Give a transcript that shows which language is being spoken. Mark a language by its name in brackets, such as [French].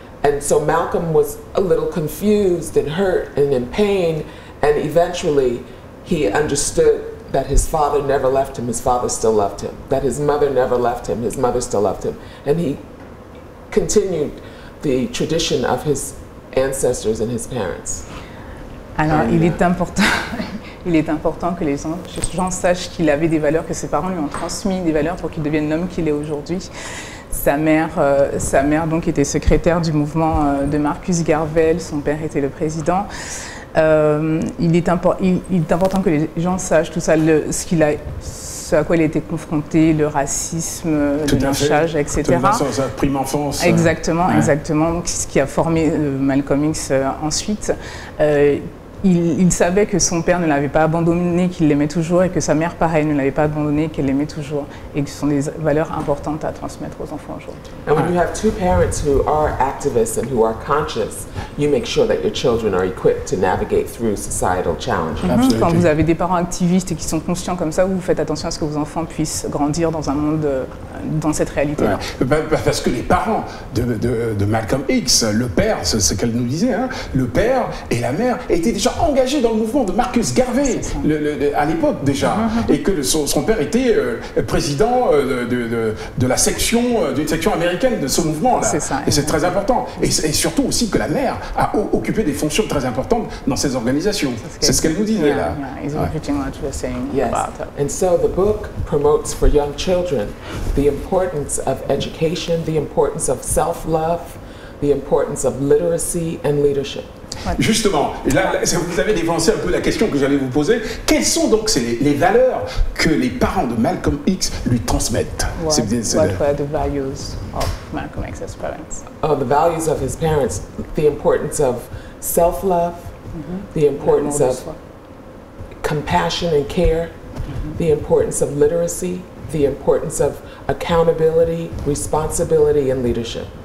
[English] And so Malcolm was a little confused and hurt and in pain, and eventually he understood that his father never left him, his father still loved him. That his mother never left him, his mother still loved him. And he continued the tradition of his ancestors and his parents. [French] Alors, il est important que les gens sachent qu'il avait des valeurs, que ses parents lui ont transmis des valeurs pour qu'il devienne l'homme qu'il est aujourd'hui. Sa mère donc était secrétaire du mouvement de Marcus Garvey, son père était le président. Il est important que les gens sachent tout ça, ce ce à quoi il était confronté, le racisme, le lynchage, etc. Tout à fait, dans sa prime enfance. Exactement, ouais. Exactement, ce qui a formé Malcolm X ensuite. Il savait que son père ne l'avait pas abandonné, qu'il l'aimait toujours, et que sa mère, pareil, ne l'avait pas abandonné, qu'elle l'aimait toujours, et que ce sont des valeurs importantes à transmettre aux enfants aujourd'hui. [English] And when you have two parents who are activists and who are conscious, you make sure that your children are equipped to navigate through societal challenges. Mm-hmm. [French] Quand vous avez des parents activistes et qui sont conscients comme ça, vous faites attention à ce que vos enfants puissent grandir dans un monde, dans cette réalité-là. Ouais. Bah, parce que les parents de Malcolm X, le père, c'est ce qu'elle nous disait, hein, le père et la mère étaient déjà engagé dans le mouvement de Marcus Garvey à l'époque déjà, et que son père était président de la section d'une section américaine de ce mouvement là, et c'est très important, et surtout aussi que la mère a occupé des fonctions très importantes dans ces organisations. C'est ce qu'elle nous disait là. [English] And so the book promotes for young children the importance of education, the importance of self-love, the importance of literacy and leadership. [French] Justement, là, vous avez dévancé un peu la question que j'allais vous poser. Quelles sont donc les valeurs que les parents de Malcolm X lui transmettent? [English] What were the values of Malcolm X's parents? Oh, the values of his parents, the importance of self-love, the importance of compassion and care, the importance of literacy, the importance of accountability, responsibility and leadership.